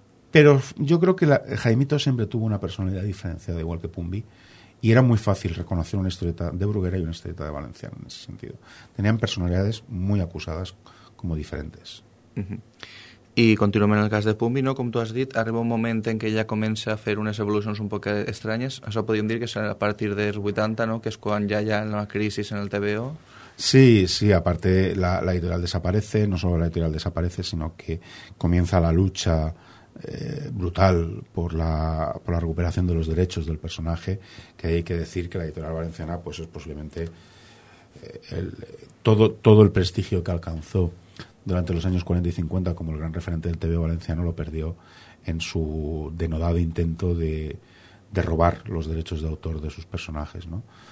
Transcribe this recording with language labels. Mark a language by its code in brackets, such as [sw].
[es] Pero yo creo que Jaimito siempre tuvo una personalidad diferenciada, igual que Pumbi, y era muy fácil reconocer una historieta de Bruguera y una historieta de Valenciano en ese sentido. Tenían personalidades muy acusadas como diferentes. [ca] Y continuem en el cas de Pumbi, ¿no? Com tu has dit, arriba un moment en què ja comença a fer unes evolucions un poc estranyes. Això podríem dir que és a partir dels 80, ¿no?, que és quan ja hi ha una crisi en el TVO. [es] Sí, sí, aparte la editorial desaparece, no solo la editorial desaparece, [ca] sinó que comença [es] la lucha brutal por la recuperación de los derechos del personaje, que hay que decir que la editorial valenciana pues es posiblemente todo el prestigio que alcanzó durante los años 40 y 50, como el gran referente del TVO valenciano, lo perdió en su denodado intento de robar los derechos de autor de sus personajes, ¿no?